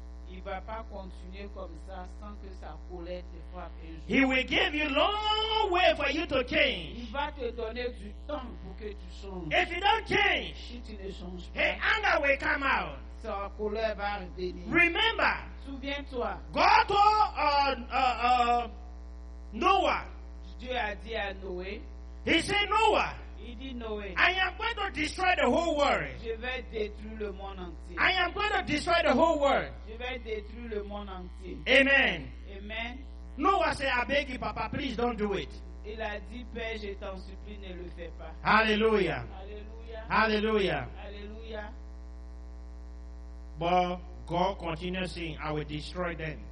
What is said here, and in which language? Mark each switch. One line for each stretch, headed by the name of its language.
French: Il va pas continuer comme ça sans que sa colère te frappe un jour.
English: He will give you long way for you to change.
French: Il va te donner du temps pour que tu changes.
English: If you don't change,
French: si tu ne changes pas,
English: his anger will come out.
French: Sa colère va revenir.
English: Remember,
French: souviens-toi,
English: God told Noah.
French: Dieu a dit à Noé.
English: He said, Noah, I am going to destroy the whole world.
French: Je vais détruire le monde entier.
English: I am going to destroy the whole world.
French: Je vais détruire le monde entier.
English: Amen. Amen. Noah said, I beg you, Papa, please don't do it.
French: Il a dit, Père, je t'en supplie, ne le fais pas.
English: Hallelujah. Hallelujah. Hallelujah. Hallelujah. But God continues saying, I will destroy them.